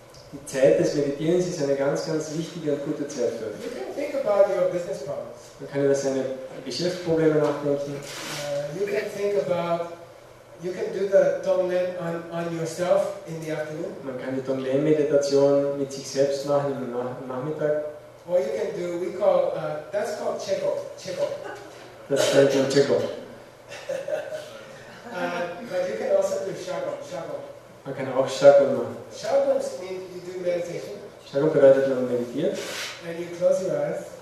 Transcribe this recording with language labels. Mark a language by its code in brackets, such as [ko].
[de] Die Zeit des Meditierens ist eine ganz, ganz wichtige und gute Zeit für dich. [en] You can think about your business problems. [de] Man kann über seine Geschäftsprobleme nachdenken. [en] You can think about, you can do the Tonglen on yourself in the afternoon. [de] Man kann die Tonglen-Meditation mit sich selbst machen im Nachmittag. [en] Or you can do, we call, that's called Checo. [de] Das heißt schon Checo. [en] But you can also do Shago. [de] Man kann auch Shagun machen. [en] Shagun means you do meditation. [de] Shagun bedeutet, man meditiert. [en] And you close your eyes.